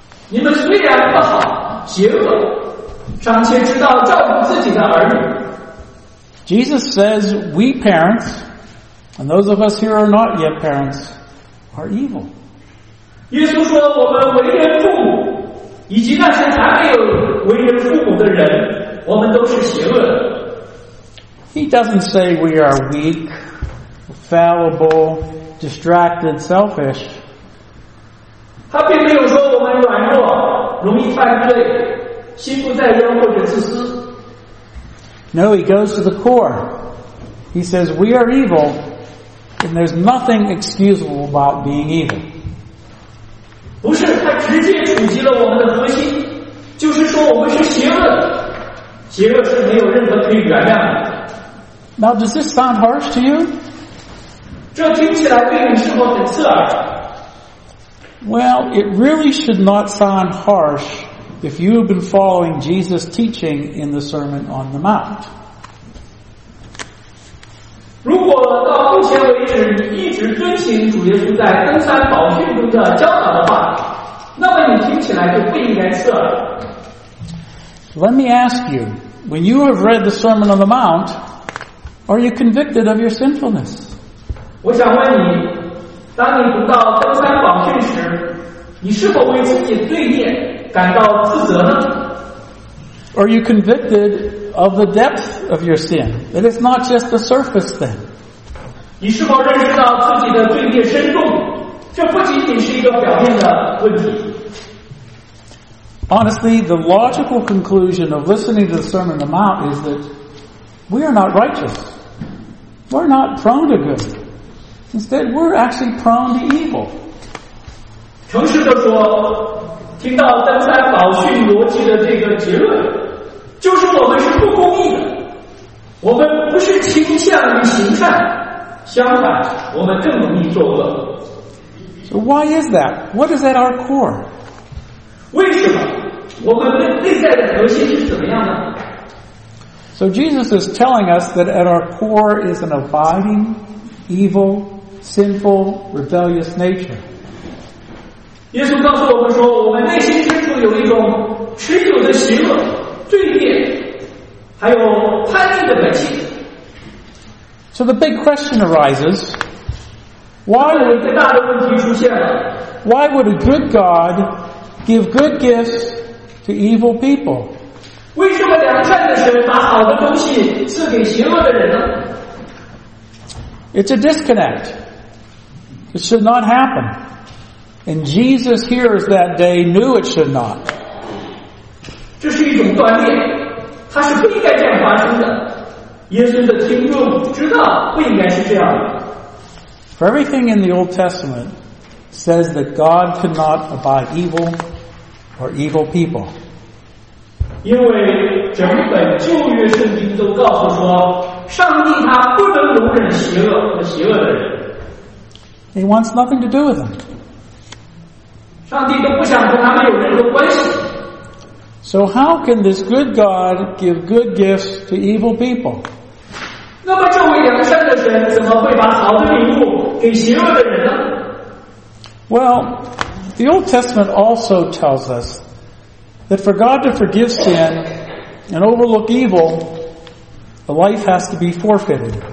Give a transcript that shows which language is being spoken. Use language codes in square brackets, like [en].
[zh] 你们虽然不好，邪恶，尚且知道照顾自己的儿女。 [en] Jesus says, we parents, and those of us who are not yet parents, are evil. [zh] 耶稣说我们为人父母，以及那些还没有为人父母的人，我们都是邪恶的。 [en] He doesn't say we are weak, fallible, distracted, selfish. [zh] 他并没有说我们软弱，容易犯罪，心不在焉或者自私。 [en] No, he goes to the core. He says, we are evil, and there's nothing excusable about being evil. [zh] 不是，他直接触及了我们的核心，就是说我们是邪恶，邪恶是没有任何可以原谅的。 [en] Now, does this sound harsh to you? [zh] 这听起来对你是否很刺耳？ [en] Well, it really should not sound harsh if you have been following Jesus' teaching in the Sermon on the Mount. [zh] 如果到目前为止一直遵循主耶稣在登山宝训中的教导的话，那么你听起来就不应该刺耳。 [en] Let me ask you, when you have read the Sermon on the Mount, are you convicted of your sinfulness? [zh] 我想问你，当你读到登山宝训时，你是否为自己罪孽感到自责呢？ [en] Are you convicted of the depth of your sin? That it's not just the surface thing. [zh] 你是否认识到自己的罪孽深重？这不仅仅是一个表面的问题。 [en] Honestly, the logical conclusion of listening to the Sermon on the Mount is that we are not righteous. We're not prone to good. Instead, we're actually prone to evil. [zh] 诚实地说，听到登山宝训逻辑的这个结论，就是我们是不公义的。我们不是倾向于行善，相反，我们更容易作恶。 [en] So why is that? What is at our core? [zh] 为什么我们内在的核心是怎么样的？ [en] So Jesus is telling us that at our core is an abiding, evil, sinful, rebellious nature. [zh] 耶稣告诉我们说，我们内心深处有一种持久的邪恶、罪孽，还有叛逆的本性。 [en] So the big question arises, why would a good God give good gifts to evil people? [zh] 为什么良善的神把好的东西赐给邪恶的人呢？ [en] It's a disconnect. It should not happen. And Jesus hears that day knew it should not. [zh] 这是一种断裂，它是不应该这样发生的。耶稣的听众知道不应该是这样的。 [en] For everything in the Old Testament says that God cannot abide evil or evil people. [zh] 因为整本旧约圣经都告诉说，上帝他不能容忍邪恶和邪恶的人。 [en] He wants nothing to do with them. [zh] 上帝都不想跟他们有任何关系。 [en] So how can this good God give good gifts to evil people? [zh] 那么这位良善的神怎么会把好的礼物给邪恶的人呢？ [en] Well, the Old Testament also tells us that for God to forgive sin and overlook evil, a life has to be forfeited.